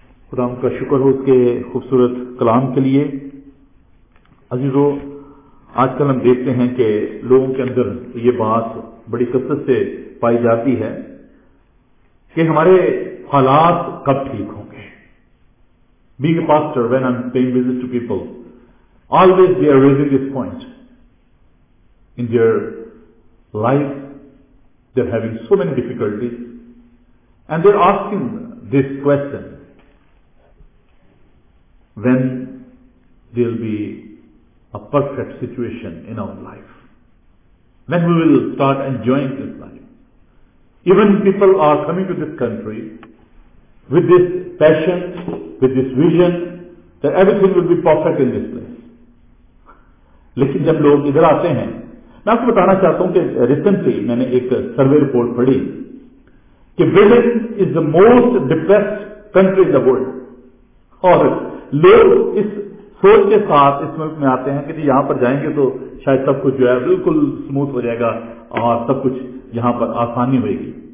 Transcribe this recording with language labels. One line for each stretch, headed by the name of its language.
Urdu: خدا ہم کا شکر ہو اس کے خوبصورت کلام کے لیے. عزیزو، آج کل ہم دیکھتے ہیں کہ لوگوں کے اندر یہ بات بڑی کثرت سے پائی جاتی ہے کہ ہمارے حالات کب ٹھیک ہوں گے.
English: Being a pastor, when I am paying visit to people, always they are raising this point in their life, they're having so many difficulties and they're asking this question, when there'll be a perfect situation in our life, when we will start enjoying this life. Even people are coming to this country with this passion, with this vision that everything will be perfect in this place.
Urdu: Lekin jab log idhar aate hain, میں آپ کو بتانا چاہتا ہوں کہ recently میں نے ایک سروے رپورٹ پڑھی کہ
English: Berlin is the most depressed country in the world,
Urdu: اور لوگ اس سوچ کے ساتھ اس ملک میں آتے ہیں کہ یہاں پر جائیں گے تو شاید سب کچھ جو ہے بالکل اسموتھ ہو جائے گا اور سب کچھ یہاں پر آسانی ہوئے گی.